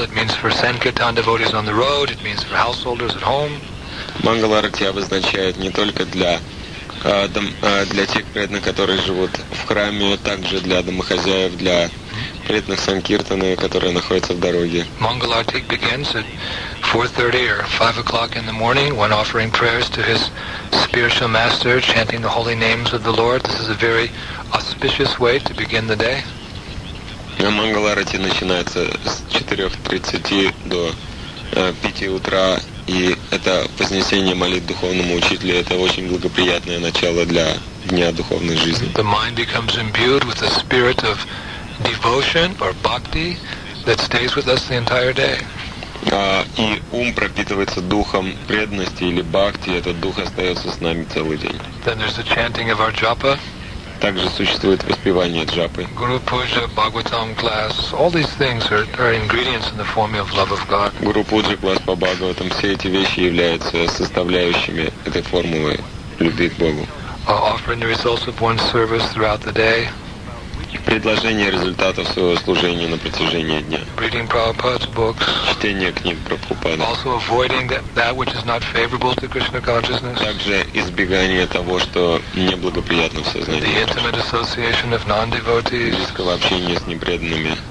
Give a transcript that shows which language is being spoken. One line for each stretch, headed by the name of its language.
English: It means for Sankirtan devotees on the road. It means for householders at home.
Russian: Mangala Arti обозначает не только для для тех преданных, которые живут в храме, а также для домохозяев, для преданных Санкиртаны, которые находятся в дороге.
English: Mangala Arti begins at 4:30 or 5 o'clock in the morning when offering prayers to his spiritual master, chanting the holy names of the Lord. This is a very auspicious way to begin the day.
Russian: Mangala Arti начинается с 4:30 до 5 утра. И это вознесение молитв духовному учителю — это очень благоприятное начало для дня духовной жизни.
English: The mind becomes imbued with a spirit of devotion or bhakti that stays with us the entire day.
Russian: И ум пропитывается духом преданности или бхакти, и этот дух остается с нами целый день.
English: Then there's the chanting of our japa.
Russian: Также существует воспевание джапы.
English: Guru Puja, Bhagavatam class, all these things are ingredients in the formula of love of God.
Russian: Guru Puja, class по Бхагаватам, все эти вещи являются составляющими этой формулы любви к Богу.
English: Offering the results of one's service throughout the day.
Russian: Предложение результатов своего служения на протяжении дня.
English: Reading Prabhupada's books.
Russian: Чтение книг Прабхупады.
English: Also avoiding that which is not favorable to Krishna consciousness.
Russian: Также избегание того, что неблагоприятно в сознании.
English: The intimate association of non-devotees.
Russian: Близкого общения с непреданными.